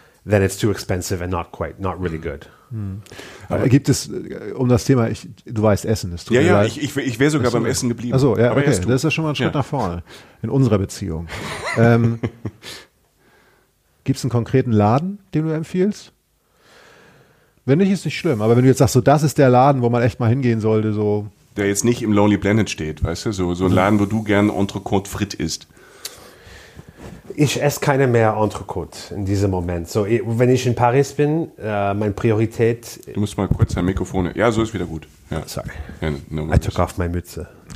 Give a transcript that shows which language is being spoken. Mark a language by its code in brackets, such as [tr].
[en] then it's too expensive and not really good. [de] Aber gibt es, um das Thema, du weißt, Essen ist. Ja, ich wäre sogar beim Essen geblieben. Ach so, ja, aber okay, das ist ja schon mal ein Schritt nach vorne in unserer Beziehung. gibt es einen konkreten Laden, den du empfiehlst? Wenn nicht, ist nicht schlimm. Aber wenn du jetzt sagst, so, das ist der Laden, wo man echt mal hingehen sollte, so. Der jetzt nicht im Lonely Planet steht, weißt du? So ein Laden, wo du gern Entrecôte frites isst. Ich esse keine mehr Entrecôte in diesem Moment. So, wenn ich in Paris bin, meine Priorität. Du musst mal kurz dein Mikrofon. Ja, so ist wieder gut. Ja. [en] Sorry. Ja, no worries. I took off my Mütze.